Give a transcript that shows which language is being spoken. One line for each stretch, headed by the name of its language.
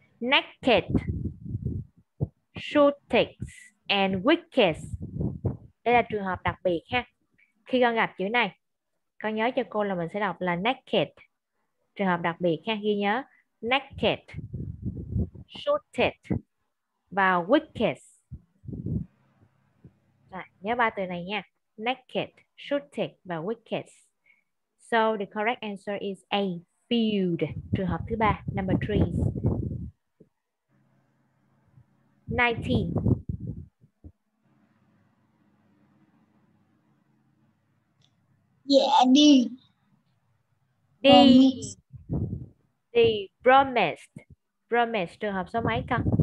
English: Naked, shooting and wicked.
Vietnamese: Đây là trường hợp đặc biệt ha. Khi con gặp chữ này, con nhớ cho cô là mình sẽ đọc là naked. Trường hợp đặc biệt ha, ghi nhớ naked, shooting và wicked. Rồi, nhớ ba từ này nha. Naked, shooting và wicked.
English: So the correct answer is A, field.
Vietnamese: Trường hợp thứ ba,
English: number 3. 19. Yeah, D. D. D. Promised. Promised.
Vietnamese: Trường hợp số mấy con?